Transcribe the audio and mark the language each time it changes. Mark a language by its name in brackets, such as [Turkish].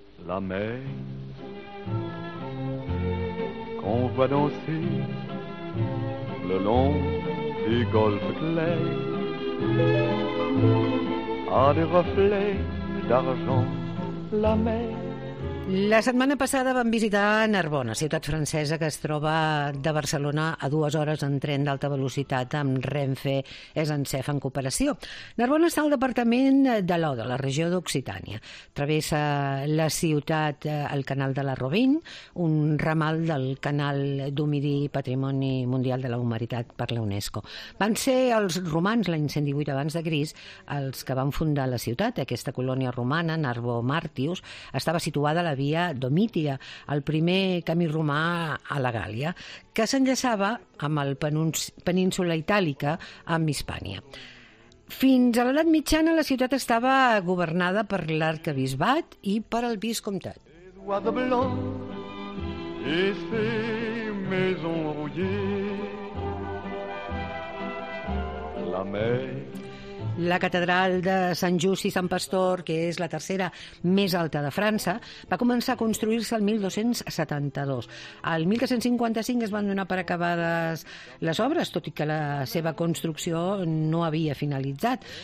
[French] la mer qu'on voit danser le long du golfe clair a des reflets d'argent. La mer. [Catalan] La setmana passada vam visitar Narbona, ciutat francesa que es troba de Barcelona a 2 hores en tren d'alta velocitat amb Renfe, Esencef en cooperació. Narbona està al departament de l'Oda, la regió d'Occitània. Travessa la ciutat el canal de la Robin, un ramal del canal d'Humidi, Patrimoni Mundial de la Humanitat per la UNESCO. Van ser els romans, l'any 118 abans de Crist, els que van fundar la ciutat. Aquesta colònia romana, Narbo Martius, estava situada la via Domitia, el primer camí romà a la Gàlia, que s'enllaçava amb el península itàlica amb Hispània. Fins a l'edat mitjana, la ciutat estava governada per l'arquebisbat i per el viscomtat. [French] Edouard de Blanc et ses maisons rouillées la mer. [Catalan] La catedral de Sant Just i Sant Pastor, que és la tercera més alta de França, va començar a construir-se el 1272. El 1355 es van donar per acabades les obres, tot i que la seva construcció no havia finalitzat.